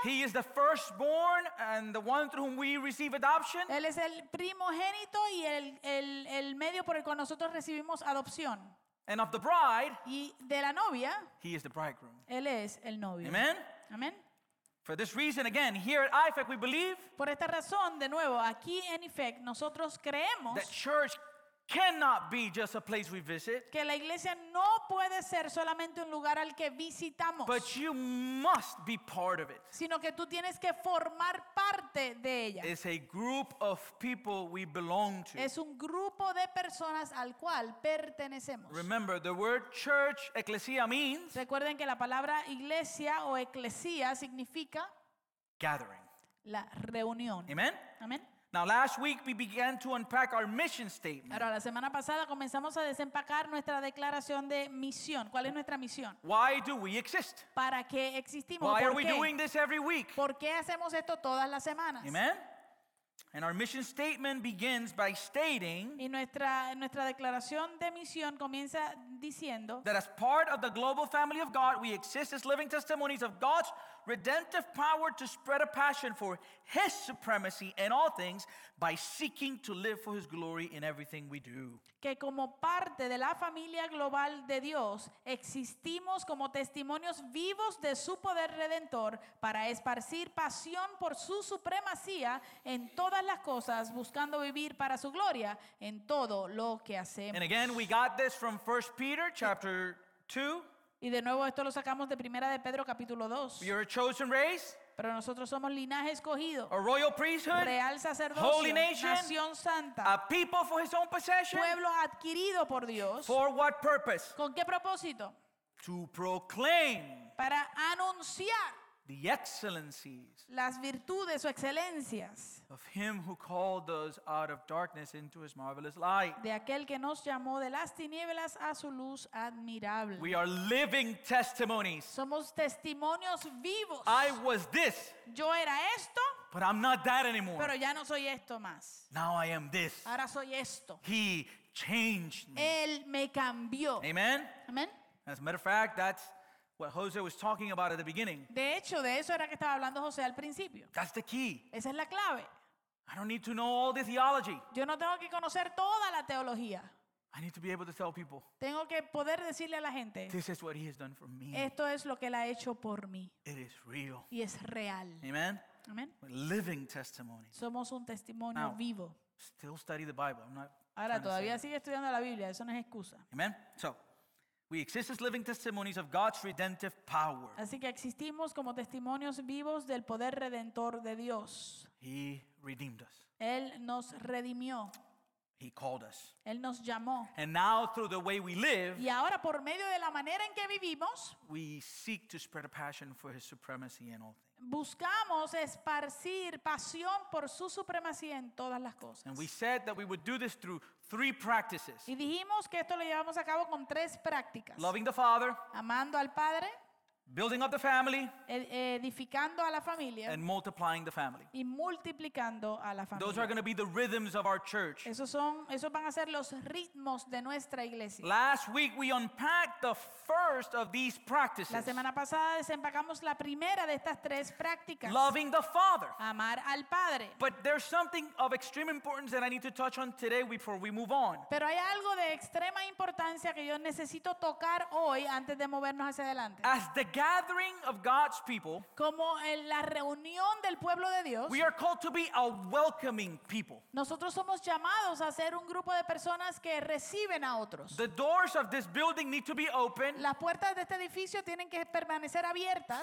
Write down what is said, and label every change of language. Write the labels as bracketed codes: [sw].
[en] He is the firstborn and the one through whom we receive adoption. [es] Él es el primogénito y el medio por el cual nosotros recibimos adopción. [en] And of the bride, [es] y de la novia, [en] He is the bridegroom. [es] Él es el novio. [en] Amen. [es] Amen. [en] For this reason, again, here at IFEC, we believe. [es] Por esta razón, de nuevo, aquí en IFEC, nosotros creemos. [en] That church cannot be just a place we visit. [es] Que la iglesia no puede ser solamente un lugar al que visitamos. [en] But you must be part of it. [es] Sino que tú tienes que formar parte de ella. [en] It's a group of people we belong to. [es] Es un grupo de personas al cual pertenecemos. [en] Remember, the word church, ecclesia, means. [es] Recuerden que la palabra iglesia o eclesia significa [en] gathering. [es] La reunión. [en] Amen. Amen. Now last week we began to unpack our mission statement. [es] Ahora la semana pasada comenzamos a desempacar nuestra declaración de misión. ¿Cuál es nuestra misión? [en] Why do we exist? [es] ¿Para qué existimos? [en] Why are we doing this every week? [es] ¿Por qué hacemos esto todas las semanas? [en] Amen. And our mission statement begins by stating. [es] Y nuestra declaración de misión comienza diciendo. [en] That as part of the global family of God, we exist as living testimonies of God's redemptive power to spread a passion for His supremacy in all things by seeking to live for His glory in everything we do. [es] Que como parte de la familia global de Dios, existimos como testimonios vivos de su poder redentor para esparcir pasión por su supremacía en todas las cosas, buscando vivir para su gloria en todo lo que hacemos. [en] And again, we got this from 1 Peter chapter 2. [es] Y de nuevo esto lo sacamos de Primera de Pedro capítulo 2. [en] We are a chosen race. [es] Pero nosotros somos linaje escogido. [en] A royal priesthood. [es] Real sacerdocio. [en] Holy nation. [es] Nación santa. [en] A people for His own possession. [es] Pueblo adquirido por Dios. [en] For what purpose? [es] ¿Con qué propósito? [en] to proclaim [es] para anunciar [en] the excellencies [es] las virtudes o excelencias [en] of him who called us out of darkness into his marvelous light. [es] De aquel que nos llamó de las tinieblas a su luz admirable. [en] We are living testimonies. [es] Somos testimonios vivos. [en] I was this. [es] Yo era esto. [en] But I'm not that anymore. [es] Pero ya no soy esto más. [en] Now I am this. [es] Ahora soy esto. [en] He changed me. [es] Él me cambió. [en] Amen. [es] Amen. [en] As a matter of fact, that's what Jose was talking about at the beginning. [es] De hecho, de eso era que estaba hablando José al principio. [en] That's the key. [es] Esa es la clave. [en] I don't need to know all the theology. [es] Yo no tengo que conocer toda la teología. [en] I need to be able to tell people. [es] Tengo que poder decirle a la gente. [en] This is what he has done for me. [es] Esto es lo que él ha hecho por mí. [en] It is real. [es] Y es real. [en] Amen. [es] Amen. [en] A living testimony. [es] Somos un testimonio [en] now, [es] vivo. [en] Still study the Bible. I'm not. [es] Ahora todavía sigue estudiando la Biblia. Eso no es excusa. [en] Amen. So, we exist as living testimonies of God's redemptive power. [es] Así que existimos como testimonios vivos del poder redentor de Dios. [en] He redeemed us. [es] Él nos redimió. [en] He called us. [es] Él nos llamó. [en] And now through the way we live, [es] y ahora por medio de la manera en que vivimos, [en] we seek to spread a passion for his supremacy in all things. [es] Buscamos esparcir pasión por su supremacía en todas las cosas. [en] And we said that we would do this through three practices. [es] Y dijimos que esto lo llevamos a cabo con tres prácticas. [en] Loving the Father. [es] Amando al Padre. [en] Building up the family. [es] Edificando a la familia. [en] And multiplying the family. [es] Y multiplicando a la familia. [en] Those are going to be the rhythms of our church. [es] Esos van a ser los ritmos de nuestra iglesia. [en] Last week we unpacked the first of these practices. [es] La semana pasada desempacamos la primera de estas tres prácticas. [en] Loving the Father. [es] Amar al Padre. [en] But there's something of extreme importance that I need to touch on today before we move on. [es] Pero hay algo de extrema importancia que yo necesito tocar hoy antes de movernos hacia adelante. [en] As the gathering of God's people, [es] como en la reunión del pueblo de Dios, [en] we are called to be a welcoming people. [es] Nosotros somos llamados a ser un grupo de personas que reciben a otros. [en] The doors of this building need to be open. [es] Las puertas de este edificio tienen que permanecer abiertas.